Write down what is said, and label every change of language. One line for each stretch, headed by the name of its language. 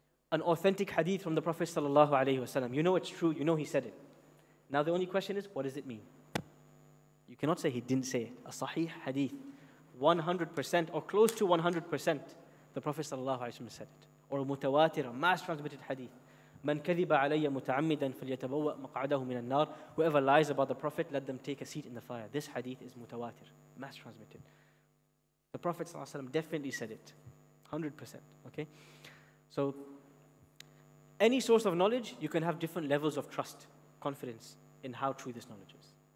English: An authentic hadith from the Prophet sallallahu alaihi wasallam. You know it's true, you know he said it. Now the only question is, what does it mean? You cannot say he didn't say it. A sahih hadith, 100% or close to 100%, the Prophet sallallahu alaihi wasallam said it. Or a mutawatir, a mass transmitted hadith,
Arabic: من كذب علي متعمدا فليتبوأ مقعده من النار.
English: Whoever lies about the Prophet, let them take a seat in the fire. This hadith is mutawatir, mass transmitted. The Prophet ﷺ definitely said it, 100%. Okay, so any source of knowledge, you can have different levels of trust, confidence in how true this knowledge is.